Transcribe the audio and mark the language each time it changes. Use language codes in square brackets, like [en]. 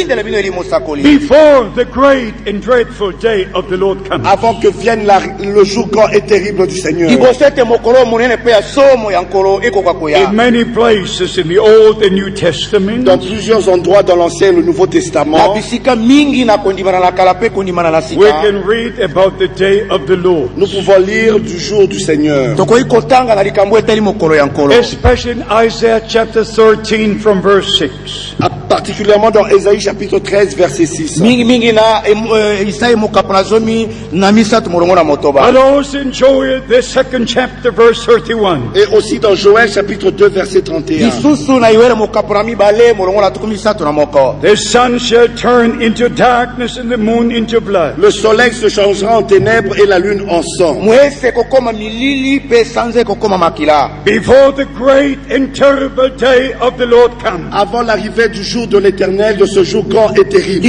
[en] Before the great and dreadful day of the Lord comes. [fr] Avant que vienne le jour grand et terrible du Seigneur. [en] In many places in the Old and New Testament. [fr] Dans plusieurs endroits dans l'Ancien et le Nouveau Testament, [en] we can read about the day of the Lord. [fr] Nous pouvons lire du jour du Seigneur. [en] Especially in Isaiah chapter 13 from verse 6. [fr] Particulièrement dans Isaïe chapitre 13 verset 6. [en] Alors in Joel the second chapter verse 31. [fr] Et aussi dans Joël chapitre 2 verset 31. [en] The sun shall turn into darkness and the moon into blood. [fr] Le soleil se changera en ténèbres et la lune en sang. [en] Before the great and terrible day of the Lord comes. [fr] Avant l'arrivée du jour de l'Éternel, de ce jour grand et terrible.